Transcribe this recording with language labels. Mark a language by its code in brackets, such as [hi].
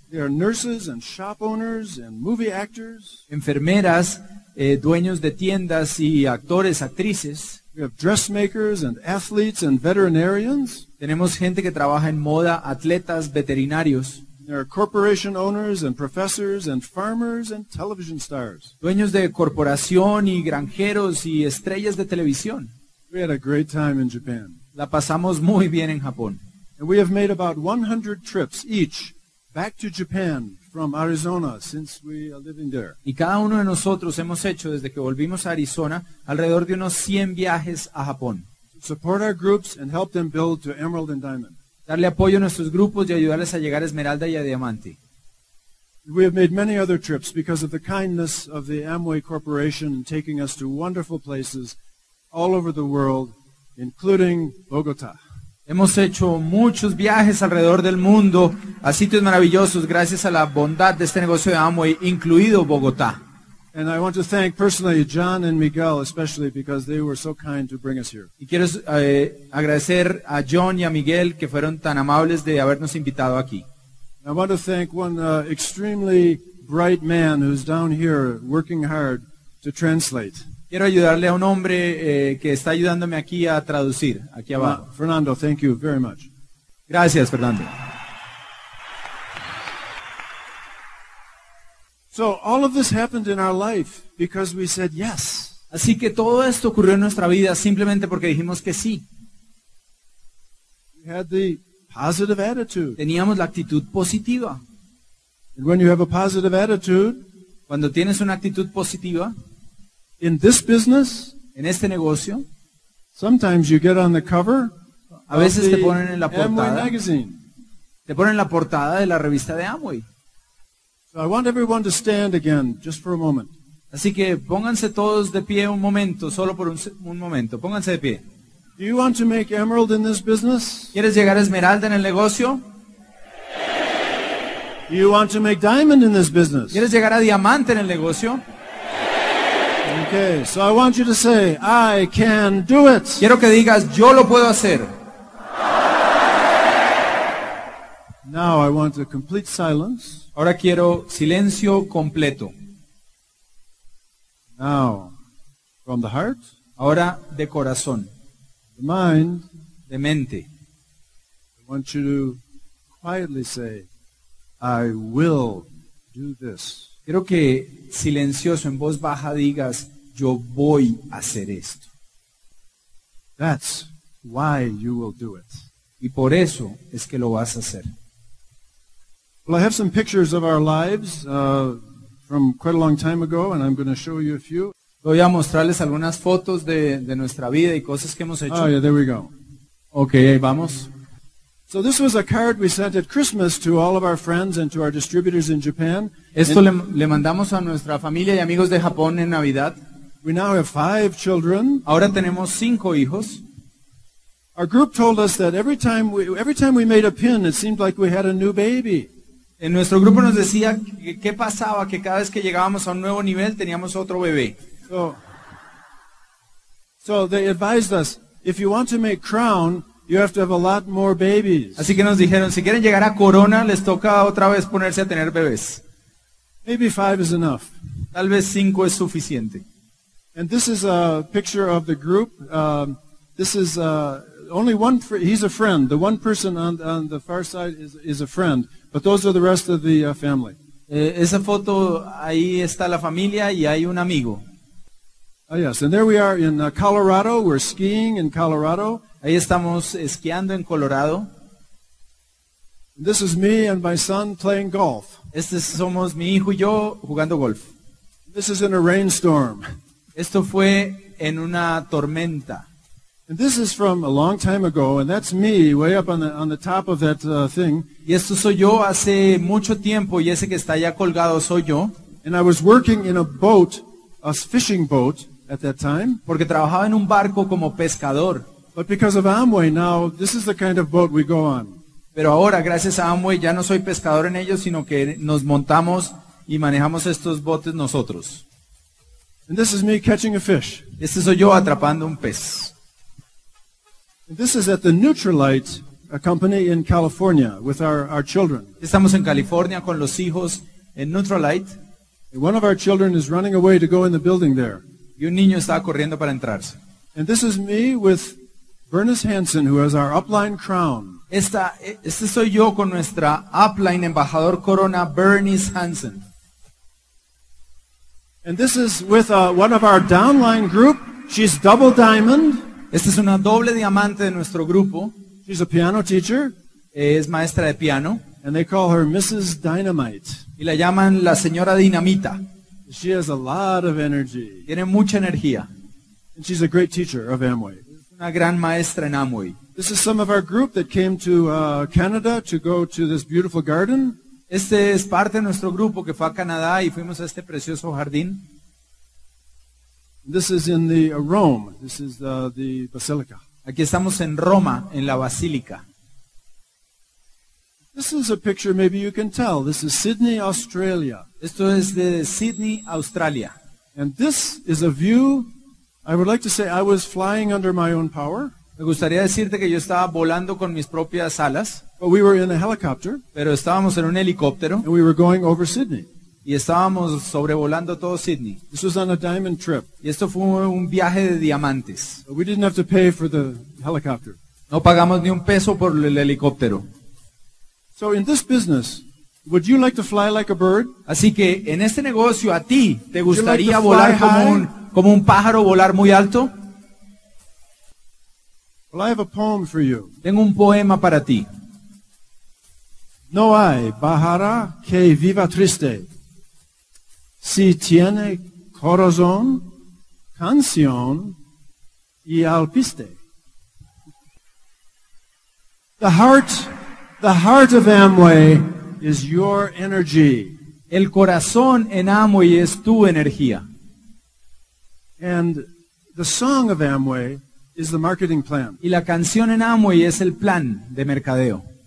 [en] They are nurses and shop owners and movie actors. [es] Enfermeras, dueños de tiendas y actores, actrices. [en] We have dressmakers and athletes and veterinarians. [es] Tenemos gente que trabaja en moda, atletas, veterinarios. [en] There are corporation owners and professors and farmers and television stars. [es] Dueños de corporación y granjeros y estrellas de televisión. [en] We had a great time in Japan. [es] La pasamos muy bien en Japón. [en] And we have made about 100 trips each back to Japan from Arizona since we are living there. [es] Y cada uno de nosotros hemos hecho desde que volvimos a Arizona alrededor de unos 100 viajes a Japón. [en] To support our groups and help them build to Emerald and Diamond. [es] Darle apoyo a nuestros grupos y ayudarles a llegar a Esmeralda y a Diamante. [en] We have made many other trips because of the kindness of the Amway Corporation taking us to wonderful places all over the world, including Bogotá. [es] Hemos hecho muchos viajes alrededor del mundo a sitios maravillosos gracias a la bondad de este negocio de Amway, incluido Bogotá. [en] And I want to thank personally John and Miguel especially because they were so kind to bring us here. [es] Y quiero agradecer a John y a Miguel que fueron tan amables de habernos invitado aquí. [en] I want to thank one extremely bright man who's down here working hard to translate. [es] Quiero ayudarle a un hombre que está ayudándome aquí a traducir, aquí abajo. [en] Fernando, thank you very much. [es] Gracias, Fernando. [en] So all of this happened in our life because we said yes. [es] Así que todo esto ocurrió en nuestra vida simplemente porque dijimos que sí. [en] We had the positive attitude. [es] Teníamos la actitud positiva. [en] And when you have a positive attitude, [es] cuando tienes una actitud positiva, [en] in this business, [es] en este negocio, [en] sometimes you get on the cover, [es] a veces [en] of the [es] te ponen en la portada, [en] Amway magazine. [es] Te ponen en la portada de la revista de Amway. [en] I want everyone to stand again, just for a moment. [es] Así que pónganse todos de pie un momento, solo por un momento. Pónganse de pie. [en] Do you want to make emerald in this business? [es] ¿Quieres llegar a esmeralda en el negocio? [en] Do you want to make diamond in this business? [es] ¿Quieres llegar a diamante en el negocio? [en] Okay, so I want you to say, I can do it. [es] Quiero que digas, yo lo puedo hacer. [en] Now I want a complete silence. [es] Ahora quiero silencio completo. [en] Now, from the heart. [es] Ahora de corazón. [en] The mind. [es] De mente. [en] I want you to quietly say, I will do this. [es] Quiero que silencioso en voz baja digas, yo voy a hacer esto. [en] That's why you will do it. [es] Y por eso es que lo vas a hacer. [en] Well, I have some pictures of our lives from quite a long time ago, and I'm going to show you a few. [es] Voy a mostrarles algunas fotos de nuestra vida y cosas que hemos hecho. [en] Oh, yeah, there we go. [es] Okay, ahí vamos. [en] So this was a card we sent at Christmas to all of our friends and to our distributors in Japan. [es] Esto le mandamos a nuestra familia y amigos de Japón en Navidad. [en] We now have 5 children. [es] Ahora tenemos 5 hijos. [en] Our group told us that every time we made a pin, it seemed like we had a new baby. [es] En nuestro grupo nos decía qué pasaba, que cada vez que llegábamos a un nuevo nivel teníamos otro bebé. [en] So they advised us, if you want to make crown, you have to have a lot more babies. [es] Así que nos dijeron, si quieren llegar a corona, les toca otra vez ponerse a tener bebés. [en] Maybe 5 is enough. [es] Tal vez 5 es suficiente. [en] And this is a picture of the group. This is only one. He's a friend. The one person on the far side is a friend. But those are the rest of the family. [es] Esa foto, ahí está la familia y hay un amigo. [en] Oh, yes, and there we are in Colorado. We're skiing in Colorado. [es] Ahí estamos esquiando en Colorado. [en] And this is me and my son playing golf. [es] Este somos mi hijo y yo jugando golf. [en] This is in a rainstorm. [es] Esto fue en una tormenta. [en] And this is from a long time ago, and that's me way up on the top of that thing. [es] Y esto soy yo hace mucho tiempo, y ese que está allá colgado soy yo. [en] And I was working in a boat, a fishing boat, at that time. [es] Porque trabajaba en un barco como pescador. [en] But because of Amway, now this is the kind of boat we go on. [es] Pero ahora, gracias a Amway, ya no soy pescador en ellos, sino que nos montamos y manejamos estos botes nosotros. [en] And this is me catching a fish. [es] Este soy yo atrapando un pez. [en] This is at the Nutrilite company in California with our children. [es] Estamos en California con los hijos en Nutrilite. [en] And one of our children is running away to go in the building there. [es] Y un niño está corriendo para entrarse. [en] And this is me with Bernice Hansen, who has our upline crown. [es] Este soy yo con nuestra upline embajador corona, Bernice Hansen. [en] And this is with one of our downline group. She's double diamond. [es] Esta es una doble diamante de nuestro grupo. [en] She's a piano teacher. [es] Es maestra de piano. [en] And they call her Mrs. Dynamite. [es] Y la llaman la señora Dinamita. [en] She has a lot of energy. [es] Tiene mucha energía. [en] And she's a great teacher of Amway. [es] Una gran maestra en Amway. [en] This is some of our group that came to Canada to go to this beautiful garden. [es] Este es parte de nuestro grupo que fue a Canadá y fuimos a este precioso jardín. [en] This is in the Rome. This is the Basilica. [es] Aquí estamos en Roma, en la Basílica. [en] This is a picture maybe you can tell. This is Sydney, Australia. [es] Esto es de Sydney, Australia. [en] And this is a view. I would like to say I was flying under my own power. [es] Me gustaría decirte que yo estaba volando con mis propias alas. [en] But we were in a helicopter. [es] Pero estábamos en un helicóptero. [en] And we were going over Sydney. [es] Y estábamos sobrevolando todo Sydney. [en] This was on a diamond trip. [es] Y esto fue un viaje de diamantes. [en] But we didn't have to pay for the helicopter. [es] No pagamos ni un peso por el helicóptero. [en] So in this business, would you like to fly like a bird? [es] Así que en este negocio a ti te gustaría like volar como un pájaro, volar muy alto? [en] Well, I have a poem for you. [es] Tengo un poema para ti. No hay pájaro que viva triste. Si tiene corazón, canción y alpiste. [en] The heart of Amway is your energy. [es] El corazón en Amway es tu energía. [en] And the song of Amway is the marketing plan. [es] Y la canción en Amway es el plan de mercadeo.